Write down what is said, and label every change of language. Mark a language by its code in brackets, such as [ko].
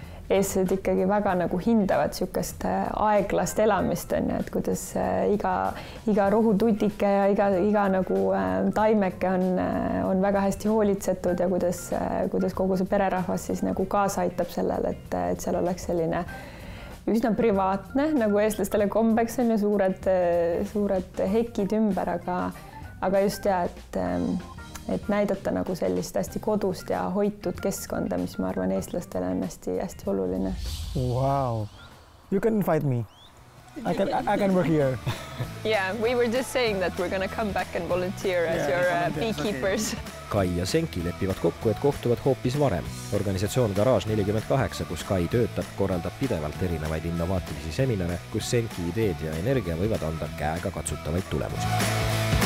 [et] eestlased ikkagi väga nagu hindavad siukest aeglast elamist on, et kuidas iga rohututike ja iga nagu taimeke on väga hästi hoolitsetud ja kuidas kogu see pererahvas siis nagu kaasa aitab sellel, et seal oleks selline üsna privaatne nagu eestlastele kombeks on ja suured hekid ümber, aga just ja, et näidata nagu sellist hästi kodust ja hoitud keskkonda, mis ma arvan eestlastele on hästi hästi oluline. [en] Wow. You can invite me. I can work here. Yeah, we were just saying that we're going to come back and volunteer as your beekeepers. Okay. [et] Kai ja Senki lepivad kokku, et kohtuvad hoopis varem. Organisatsioon Garage 48, kus Kai töötab, korraldab pidevalt erinevaid innovaatilisi seminare, kus Senki ideed ja energia võivad anda käega katsutavaid tulemusi.